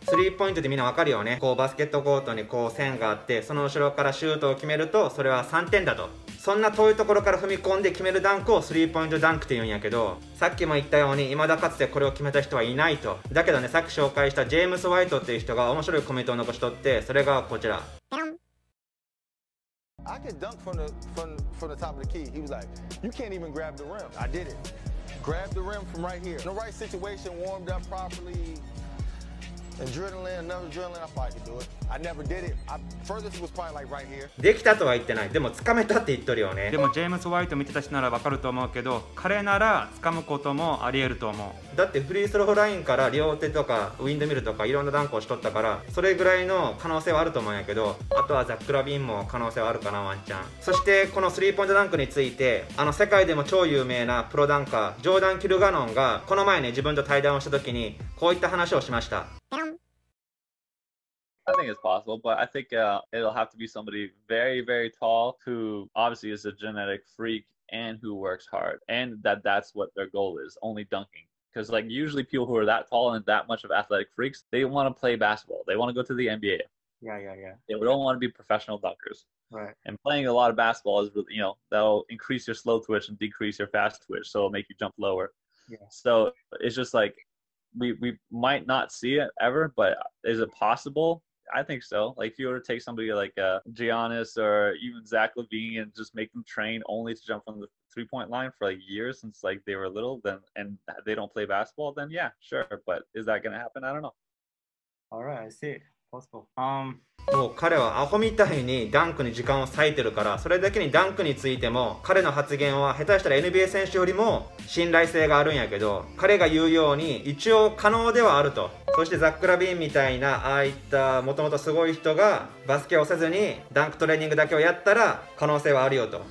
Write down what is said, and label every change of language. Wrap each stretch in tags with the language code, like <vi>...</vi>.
<ja>スリーポイントってみんなわかるよね、こうバスケットコートにこう線があって、その後ろからシュートを決めるとそれは3点だと。そんな遠いところから踏み込んで決めるダンクをスリーポイントダンクって言うんやけど、さっきも言ったように未だかつてこれを決めた人はいないと。だけどね、さっき紹介したジェームス・ホワイトっていう人が面白いコメントを残しとって、それがこちら。</ja> <en>I can dunk from the top of the key. He was like, you can't even grab the rim. I did it. Grab the rim from right here. In the right situation, warmed up properly. Adrenaline, another adrenaline. I fight to do it. I never did it. Furthest was probably like right here.</en> <ja>できたとは言ってない。でも掴めたって言っとるよね。でもジェームス・ホワイト見てた人ならわかると思うけど、彼なら掴むこともあり得ると思う。だってフリースローラインから両手とかウィンドミルとかいろんなダンクをしとったから、それぐらいの可能性はあると思うんやけど、あとはザック・ラビンも可能性はあるかな、ワンちゃん。そしてこのスリーポイントダンクについて、あの世界でも超有名なプロダンカージョーダン・キルガノンがこの前ね、自分と対談をした時にこういった話をしました。</ja> <en>I think it's possible, but I think it'll have to be somebody very, very tall who obviously is a genetic freak and who works hard, and that's what their goal is, only dunking. Because like usually people who are that tall and that much of athletic freaks, they want to play basketball. They want to go to the NBA. Yeah. They don't want to be professional dunkers. Right. And playing a lot of basketball is really, you know, that'll increase your slow twitch and decrease your fast twitch, so it'll make you jump lower. Yeah. So it's just like we might not see it ever, but is it possible? I think so. Like if you were to take somebody like Giannis or even Zach LaVine and just make them train only to jump from the three-point line for like years since like they were little, then and they don't play basketball, then yeah, sure. But is that gonna happen? I don't know. All right, I see. Possible.</en> <ja>もう彼はアホみたいにダンクに時間を割いてるから、それだけにダンクについても彼の発言は下手したら NBA 選手よりも信頼性があるんやけど、彼が言うように一応可能ではあると。そしてザック・ラビーンみたいなああいったもともとすごい人がバスケをせずにダンクトレーニングだけをやったら可能性はあるよと。</ja>